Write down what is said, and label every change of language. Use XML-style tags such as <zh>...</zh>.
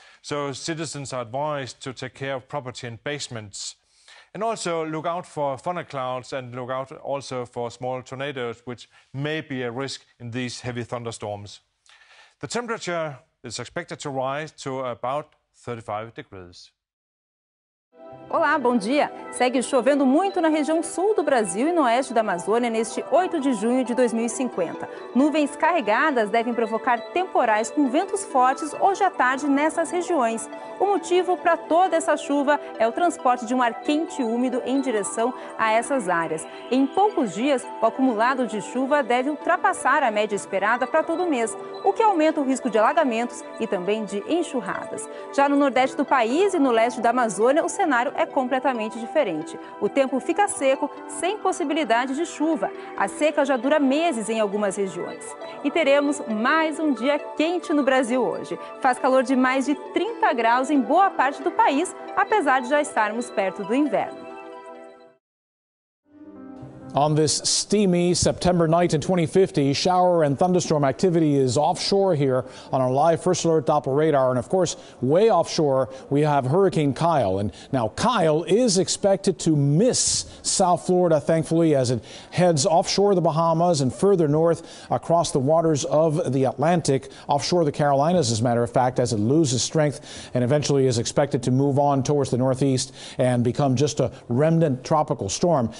<en>So citizens are advised to take care of property and basements. And also look out for thunderclouds and look out also for small tornadoes, which may be a risk in these heavy thunderstorms. The temperature is expected to rise to about 35 degrees.</en> <pt>Olá, bom dia! Segue chovendo muito na região sul do Brasil e no oeste da Amazônia neste 8 de junho de 2050. Nuvens carregadas devem provocar temporais com ventos fortes hoje à tarde nessas regiões. O motivo para toda essa chuva é o transporte de um ar quente e úmido em direção a essas áreas. Em poucos dias, o acumulado de chuva deve ultrapassar a média esperada para todo mês, o que aumenta o risco de alagamentos e também de enxurradas. Já no nordeste do país e no leste da Amazônia, o cenário é completamente diferente. O tempo fica seco, sem possibilidade de chuva. A seca já dura meses em algumas regiões. E teremos mais um dia quente no Brasil hoje. Faz calor de mais de 30 graus em boa parte do país, apesar de já estarmos perto do inverno.</pt> <en>On this steamy September night in 2050, shower and thunderstorm activity is offshore here on our live First Alert Doppler radar. And of course, way offshore, we have Hurricane Kyle. And now Kyle is expected to miss South Florida, thankfully, as it heads offshore the Bahamas and further north across the waters of the Atlantic, offshore the Carolinas, as a matter of fact, as it loses strength and eventually is expected to move on towards the northeast and become just a remnant tropical storm.</en>